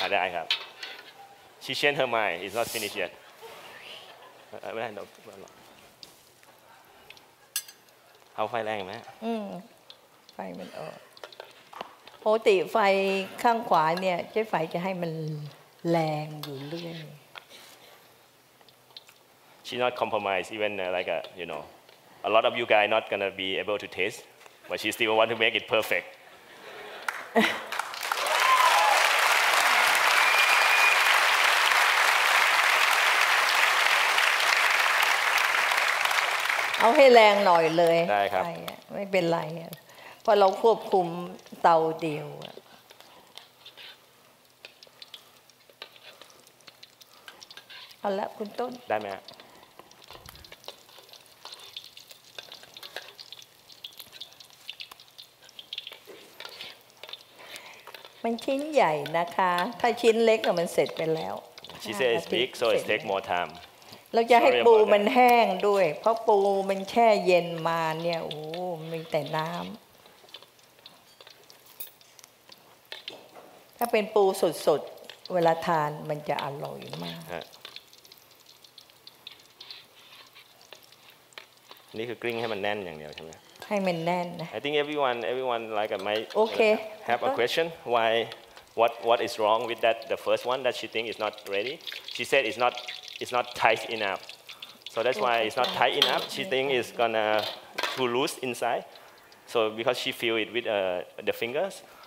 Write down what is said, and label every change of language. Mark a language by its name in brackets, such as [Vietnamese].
[Thai] ได้ครับ [English] she changed her mind it's not finished yet [Thai] ไม่ได้หรอกเอาไฟแรงไหม ไฟมันออกปกติไฟข้างขวาเนี่ยเจ๊ไฟจะให้มันแรงอยู่เรื่อย [English] She not compromise even like a you know a lot of you guys not gonna be able to taste but she still want to make it perfect [Thai] เอาให้แรงหน่อยเลย ได้ครับ ไม่เป็นไรพอเราควบคุมเตาเดียวเอาละคุณต้น ได้ไหมฮะ มันชิ้นใหญ่นะคะถ้าชิ้นเล็กมันเสร็จไปแล้ว She said it's big so it take more time เราจะให้ปูมันแห้งด้วยเพราะปูมันแช่เย็นมาเนี่ยโอ้มีแต่น้ำถ้าเป็นปูสดๆเวลาทานมันจะอร่อยมาก นี่คือกริ้งให้มันแน่นอย่างเดียวใช่ไหม ให้มันแน่นนะ [English] I think everyone like my okay have a question why what is wrong with that the first one that she think is not ready she said it's not it's not tight enough. So that's why it's not tight enough. She think it's gonna too loose inside. So because she feel it with the fingers.